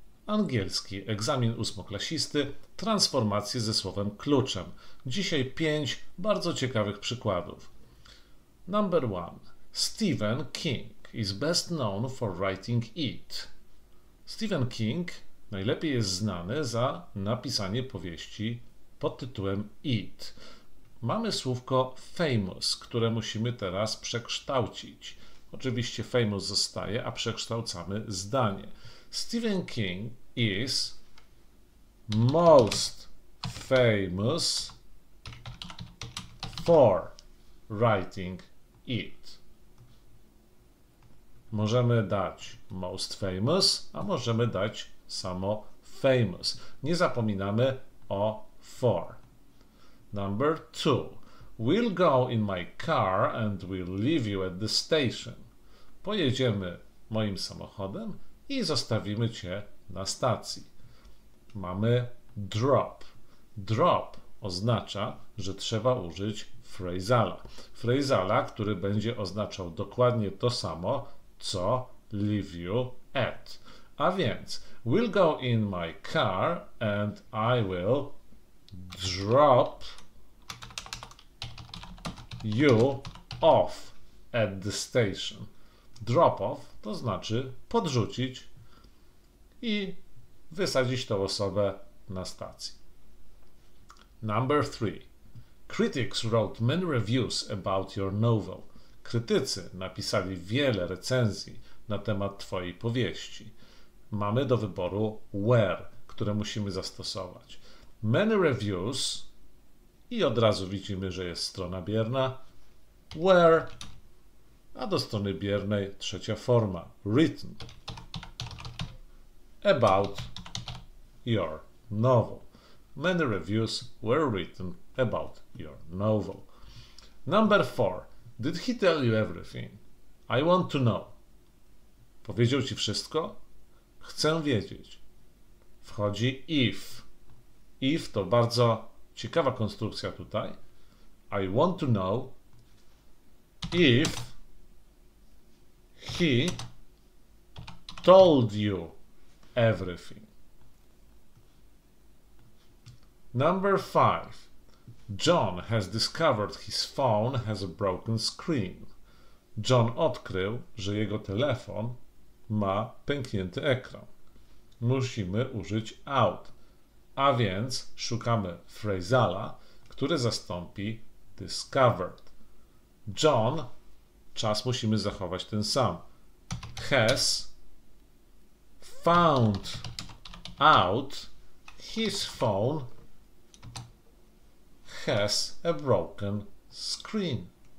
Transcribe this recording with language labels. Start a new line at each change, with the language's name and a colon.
Polish: Angielski, egzamin ósmoklasisty, transformacje ze słowem kluczem. Dzisiaj 5 bardzo ciekawych przykładów.
English: Number 1. Stephen King is best known for writing It.
Polish: Stephen King najlepiej jest znany za napisanie powieści pod tytułem It. Mamy słówko famous, które musimy teraz przekształcić. Oczywiście famous zostaje, a przekształcamy zdanie.
English: Stephen King is most famous for writing it.
Polish: Możemy dać most famous, a możemy dać samo famous. Nie zapominamy o for.
English: Number 2. We'll go in my car and we'll leave you at the station.
Polish: Pojedziemy moim samochodem i zostawimy cię na stacji. Mamy drop. Drop oznacza, że trzeba użyć phrasala. Phrasala, który będzie oznaczał dokładnie to samo, co leave you at. A więc,
English: we'll go in my car and I will drop you off at the station.
Polish: Drop off to znaczy podrzucić i wysadzić tą osobę na stacji.
English: Number 3. Critics wrote many reviews about your novel.
Polish: Krytycy napisali wiele recenzji na temat twojej powieści. Mamy do wyboru where, które musimy zastosować.
English: Many reviews
Polish: i od razu widzimy, że jest strona bierna. Where, a do strony biernej trzecia forma.
English: Written about your novel. Many reviews were written about your novel. Number 4. Did he tell you everything? I want to know.
Polish: Powiedział ci wszystko? Chcę wiedzieć. Wchodzi if. If to bardzo ciekawa konstrukcja tutaj.
English: I want to know if he told you everything. Number 5. John has discovered his phone has a broken screen.
Polish: John odkrył, że jego telefon ma pęknięty ekran. Musimy użyć out. A więc szukamy phrasala, który zastąpi discovered. John, czas musimy zachować ten sam.
English: Has found out his phone has a broken screen.